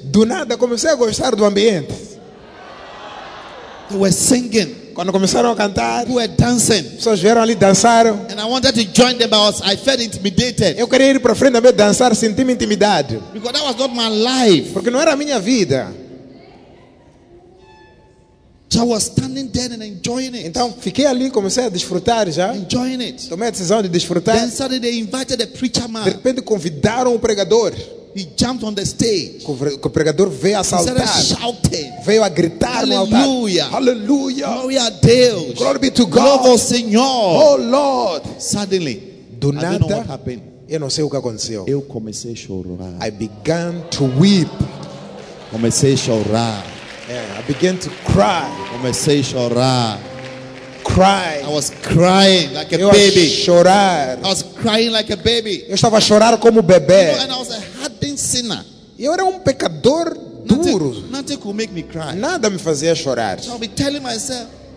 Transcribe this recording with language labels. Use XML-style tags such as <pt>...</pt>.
<pt>Do nada comecei a gostar do ambiente.</pt> <en>They were singing.</en> <pt>Quando começaram a cantar,</pt> <en>we were dancing.</en> <pt>Pessoas vieram ali dançar.</pt> <en>And I wanted to join them, but I felt intimidated.</en> <pt>Eu queria ir para frente também dançar, senti-me intimidado.</pt> <en>Because that was not my life.</en> <pt>Porque não era a minha vida.</pt> <en>So I was standing there and enjoying it.</en> <pt>Então fiquei ali, comecei a desfrutar já.</pt> <en>Enjoying it.</en> <pt>Tomei a decisão de desfrutar.</pt> <en>Then suddenly they invited the preacher man.</en> <pt>De repente convidaram o pregador.</pt> <en>He jumped on the stage.</en> <pt>O pregador veio a saltar.</pt> <en>He started shouting.</en> <pt>Veio a gritar no altar.</pt> <en>Hallelujah. Hallelujah. Glory to Deus. Glory be to God.</en> <pt>Glory ao Senhor.</pt> <en>Oh Lord. Suddenly,</en> <pt>do nada,</pt> <en>I don't know what happened.</en> <pt>Eu não sei o que aconteceu. Eu comecei a chorar.</pt> <en>I began to weep.</en> <pt>Comecei a chorar.</pt> <en>I began to cry.</en> <pt>Comecei a chorar.</pt> <en>Cry. I was crying like a baby.</en> <pt>Eu chorar.</pt> <en>I was crying like a baby.</en> <pt>Eu estava a chorar como bebê.</pt> <en>You know, and I was a hardened sinner.</en> <pt>Eu era pecador duro.</pt> <en>Nothing could make me cry.</en> <pt>Nada me fazia chorar.</pt> <en>So I'll be telling myself.</en>